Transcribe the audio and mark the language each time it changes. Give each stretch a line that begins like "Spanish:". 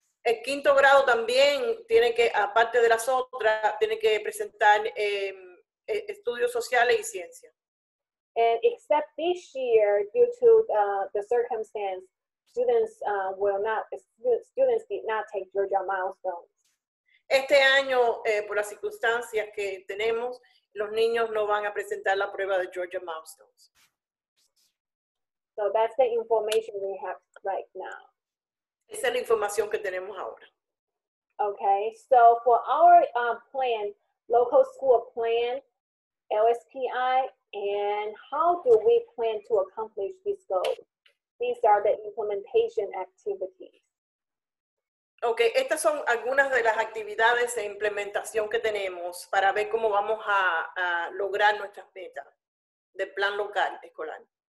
Spanish: El quinto grado también tiene que, aparte de las otras, tiene que presentar estudios sociales y ciencia.
English: And except this year, due to the circumstance, students will not, students did not take Georgia Milestones.
Spanish: Este año, por las circunstancias que tenemos, los niños no van a presentar la prueba de Georgia Milestones.
English: So that's the information we have right now.
Spanish: Esa es la información que tenemos ahora.
English: Okay, so for our plan, local school plan, LSPI, and how do we plan to accomplish this goal? These are the implementation activities.
Spanish: Okay, estas son algunas de las actividades de implementación que tenemos para ver cómo vamos a lograr nuestras metas del plan local escolar.